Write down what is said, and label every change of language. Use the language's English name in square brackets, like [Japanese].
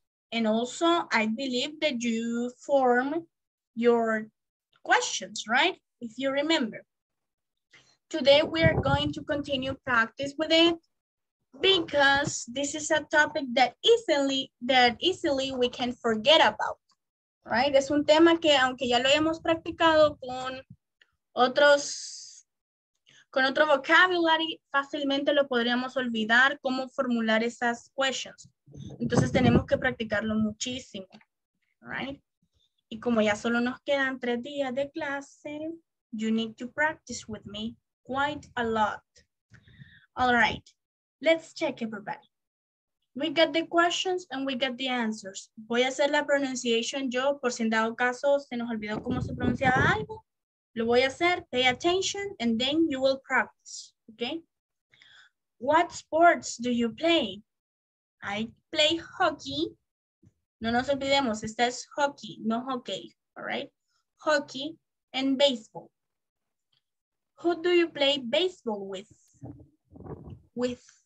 [English] And also I believe that you form your questions, right? If you remember. Today we are going to continue practice with it because this is a topic that easily we can forget about. Right? [Spanish] Es un tema que aunque ya lo hayamos practicado con otro vocabulary, fácilmente lo podríamos olvidar cómo formular esas questions. Entonces tenemos que practicarlo muchísimo. Right? Y como ya solo nos quedan 3 días de clase, [English] you need to practice with me quite a lot. All right, let's check everybody. We got the questions and we got the answers. [Spanish] Voy a hacer la pronunciation yo, por si en dado caso se nos olvidó cómo se pronunciaba algo. Lo voy a hacer, [English] pay attention, and then you will practice, okay? What sports do you play? I play hockey. [Spanish] No nos olvidemos, esta es hockey, no hockey, [English] all right? Hockey and baseball. Who do you play baseball with?